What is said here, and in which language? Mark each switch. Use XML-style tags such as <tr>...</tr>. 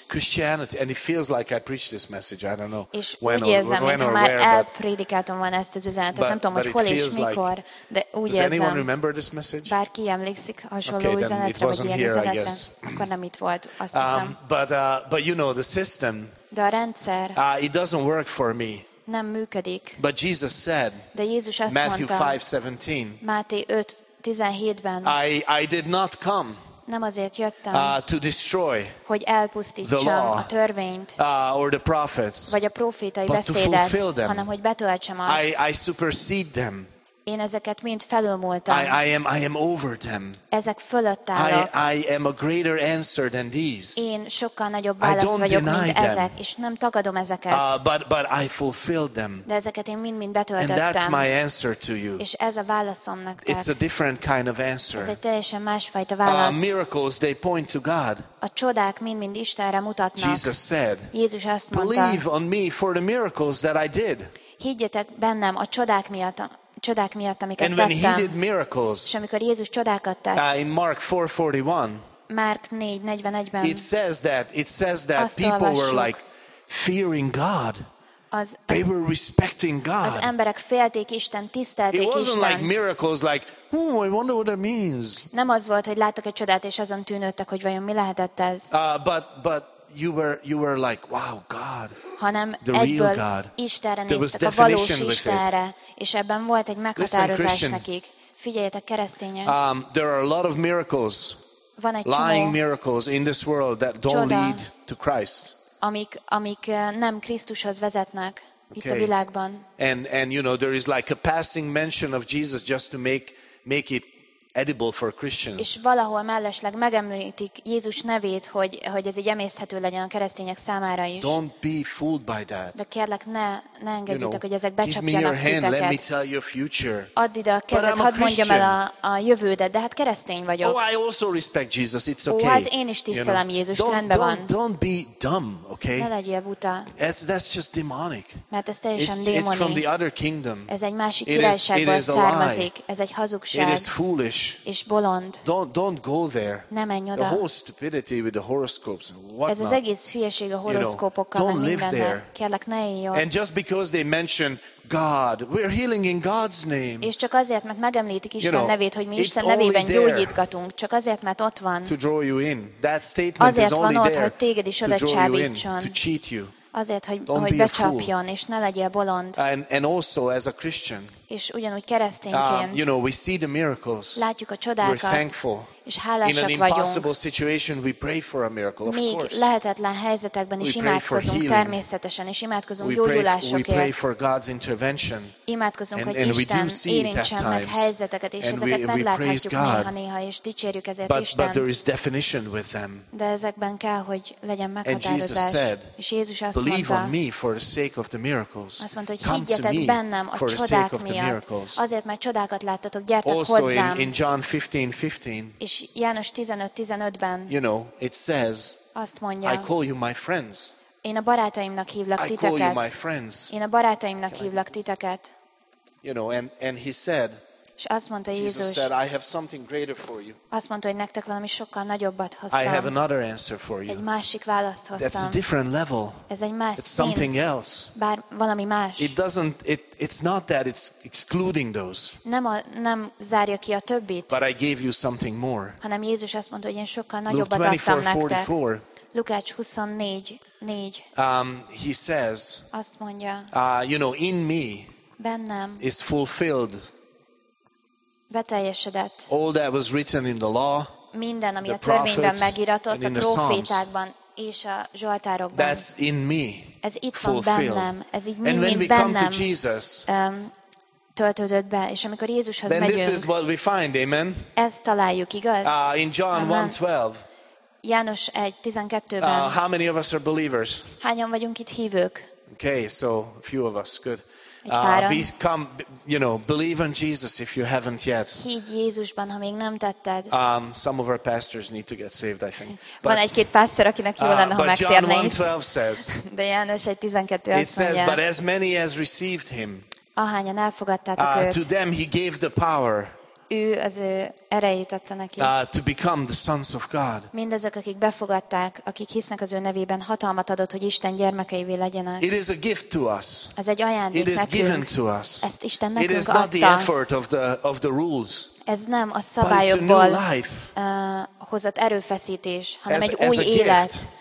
<en>Christianity, and it feels like I preach this message, I don't know</en> <hu>és</hu> <en>when</en> <hu>úgy érzem,</hu> <en>or, when or</en> <hu>már</hu> <en>where, but</en> <hu>prédikáltam volna ezt az üzenetet, nem tudom, hogy hol és mikor,</hu> <en>like,</en> <hu>de úgy</hu> <en>does</en> <hu>érzem,</hu> <en>anyone remember this message?</en> <hu>Bárki emlékszik hasonló</hu> <en>okay,</en> <hu>üzenetre,</hu> <en>then it wasn't</en> <hu>vagy ilyen</hu> <en>here,</en> <hu>üzenetre,</hu> <en>I guess.</en> <hu>Akkor nem itt volt, azt hiszem.</hu> <en>But you know, the system,</en> <hu>de a rendszer,</hu> <en>it doesn't work for me.</en> <hu>Nem működik.</hu> <en>But Jesus said,</en> <hu>de Jézus azt</hu> <en>Matthew</en> <hu>mondta,</hu> <en>5:17,</en> <hu>Máté 5:17-ben,</hu> <en>I did not come,</en> <hu>nem azért jöttem,</hu> <en>to destroy,</en> <hu>hogy elpusztítsam</hu> <en>the law,</en> <hu>a törvényt,</hu> <en>or the prophets,</en> <hu>vagy a prófétai beszédet, hanem hogy betöltsem azt.</hu> <en>I supersede them.</en> <hu>Én ezeket mind felülmúltam.</hu> <en>I am over them.</en> <hu>Ezek fölött állok.</hu> <en>I am a greater answer than these.</en> <hu>Én sokkal nagyobb válasz vagyok, mint ezek, és nem tagadom ezeket.</hu> <en>But I fulfilled them.</en> <hu>De ezeket én mind betöltöttem.</hu> <en>And that's my answer to you.</en> <hu>És ez a válaszom nektek.</hu> <en>It's a different kind of answer.</en> <hu>Ez egy teljesen másfajta válasz.</hu> <en>Miracles, they point to God.</en> <hu>A csodák mind Istenre mutatnak.</hu> <en>Jesus said,</en> <hu>Jézus azt mondta,</hu> <en>believe on me for the miracles that I did.</en> <hu>Higgyetek bennem a csodák miatt. Csodák miatt, amiket</hu> <en>and when</en> <hu>tettem,</hu> <en>he did miracles,</en> <hu>és amikor Jézus csodákat tett,</hu> <en>in Mark 4:41,</en> <hu>Mark 4:41,</hu> <en>it says that people</en> <hu>olvassuk,</hu> <en>were like fearing God,</en> <hu>az,</hu> <en>they were respecting God.</en> <hu>Az emberek félték Isten, tisztelték Istent.</hu> <en>It wasn't</en> <hu>Istent.</hu> <en>Like miracles, like, I wonder what that means.</en> <hu>Nem az volt, hogy láttak egy csodát és azon tűnődtek, hogy vajon mi lehetett ez.</hu> <en>But you were like, wow, God,</en> <hu>hanem</hu> <en>the real God.</en> <hu>Istenre néztek, a valós Istenre, és ebben volt egy meghatározás nekik. Figyeljetek, keresztények.</hu> <en>There are a lot of miracles, lying miracles in this world that don't lead to Christ.</en> <hu>Amik nem Krisztushoz vezetnek itt a világban.</hu> <en>And you know, there is like a passing mention of Jesus just to make it edible for Christians.</en> <hu>És valahol mellesleg megemlítik Jézus nevét, hogy ez egy emészhető legyen a keresztények számára is.</hu> <en>Don't be fooled by that.</en> <hu>De kérlek, ne engedjétek,</hu> <en>you know,</en> <hu>hogy ezek becsapjanak titeket.</hu> <en>Let me tell your future.</en> <hu>Add ide a kezed, hadd mondjam el a jövődet, de hát keresztény vagyok.</hu> <en>Oh, I also respect Jesus. It's okay.</en> <hu>Hát én is tisztelem,</hu> <en>you know,</en> <hu>Jézus, rendben van.</hu> <en>Don't be dumb, okay?</en> <hu>Ne legyél buta.</hu> <en>That's just demonic.</en> <hu>Mert ez teljesen démoni.</hu> <en>It's from the other kingdom.</en> <hu>Ez egy másik királyságból származik. Ez egy hazugság.</hu> <en>It is foolish.</en> <hu>És bolond.</hu> <en>Don't go there.</en> <hu>Nem menj oda.</hu> <en>The whole stupidity with the horoscopes and whatnot.</en> <hu>Ez az egész hülyeség a horoszkópokkal.</hu> <en>Don't live there.</en> <hu>Kérlek, ne élj ott.</hu> <en>And just because they mention God, we're healing in God's name.</en> <hu>És csak azért, mert megemlítik Isten,</hu> <en>you know,</en> <hu>nevét, hogy mi Isten nevében gyógyítgatunk, csak azért, mert ott van.</hu> <en>To draw you in. That statement</en> <hu>azért</hu> <en>is only</en> <hu>ott,</hu> <en>there.</en> <hu>Azért van ott, hogy téged is oda csábítson.</hu> <en>To cheat you.</en> <hu>Azért, hogy becsapjon, és ne legyél bolond.</hu> <en>And also as a Christian.</en> <hu>És ugyanúgy keresztényként.</hu> <en>You know, we see the miracles.</en> <hu>Látjuk a csodákat.</hu> <en>We're thankful.</en> <hu>És hálásak vagyunk.</hu> <en>In an impossible situation, we pray for a miracle, of</en> <hu>még</hu> <en>course.</en> <hu>Lehetetlen helyzetekben is</hu> <en>we</en> <hu>imádkozunk természetesen, és imádkozunk gyógyulásokért.</hu> <en>We pray for God's intervention.</en> <hu>Imádkozunk, hogy Isten érintse meg helyzeteket, és ezeket megláthatjuk néha, és dicsérjük ezért Istent.</hu> <en>But there is definition with them.</en> <hu>De ezekben kell, hogy legyen meghatározás.</hu> <en>And Jesus said,</en> <hu>és Jézus azt mondta,</hu> <en>believe on me for the sake of the miracles.</en> <hu>Azt mondta, hogy higgyetek bennem a csodák miatt. Azért, mert csodákat láttatok, gyertek hozzám.</hu> <en>Also in John 15:15.</en> <hu>És János 15:15-ben,</hu> <en>you know, it says,</en> <hu>azt mondja,</hu> <en>I call you my friends.</en> <hu>Én a barátaimnak hívlak titeket.</hu> <en>I call you my friends.</en> <hu>Én a barátaimnak hívlak titeket.</hu> <en>You know, and he said,</en> <hu>és azt mondta</hu> <en>Jesus</en> <hu>Jézus,</hu> <en>said, I have something greater for you.</en> <hu>Azt mondta, hogy nektek valami sokkal nagyobbat hoztam.</hu> <en>I have another answer for you.</en> <hu>Egy másik választ hoztam.</hu> <en>That's a different level.</en> <hu>Ez egy más szint.</hu> <en>It's something else.</en> <hu>Bár valami más.</hu> <en>It doesn't, it's not that it's excluding those.</en> <hu>Nem zárja ki a többit.</hu> <en>But I gave you something more.</en> <hu>Hanem Jézus azt mondta, hogy én sokkal nagyobbat adtam nektek.</hu> <en>Luke 24:44.</en> <hu>Lukács 24:4.</hu> <en>He says,</en> <hu>azt mondja,</hu> <en>you know, in me,</en> <hu>bennem,</hu> <en>is fulfilled</en> <hu>beteljesedett.</hu> <en>All that was written in the law,</en> <hu>minden, ami</hu> <en>the</en> <hu>a törvényben</hu> <en>prophets,</en> <hu>megiratott, a prófétákban és a zsoltárokban.</hu> <en>That's in me.</en> <hu>Ez itt</hu> <en>fulfilled.</en> <hu>Van bennem. Ez így mind,</hu> <en>and when</en> <hu>mind</hu> <en>we</en> <hu>bennem</hu> <en>come to Jesus,</en> <hu>töltődött be. És amikor Jézushoz</hu> <en>then</en> <hu>megyünk,</hu> <en>this is what we find, amen?</en> <hu>Ezt találjuk, igaz?</hu> <en>In John 1:12.</en> <hu>János 1:12-ben.</hu> <en>How many of us are believers?</en> <hu>Hányan vagyunk itt hívők?</hu> <en>Okay, so a few of us, good. Become, you know, believe in Jesus if you haven't yet.</en> <hu>Higgy Jézusban, ha még nem tetted.</hu> <en>Some of our pastors need to get saved, I think.</en> <hu>Van egy-két pásztor, akinek jó lenne, ha megtérne.</hu> <en>But John 1:12 says.</en> <hu>De János 1:12 azt mondja.</hu> <en>It says, but as many as received him.</en> <hu>Ahányan elfogadtátok őt.</hu> <en>To them he gave the power.</en> <hu>Ő az ő erejét adta neki.</hu> <en>To become the sons of God.</en> <hu>Mindezek, akik befogadták, akik hisznek az ő nevében, hatalmat adott, hogy Isten gyermekeivé legyenek.</hu> <en>It is a gift to us.</en> <hu>Ez egy ajándék nekünk.</hu> <en>It is given to us.</en> <hu>Ezt Isten nekünk adta.</hu> <en>It is not the effort of the rules.</en> <hu>Ez nem a szabályokból hozott erőfeszítés, hanem egy új élet.</hu>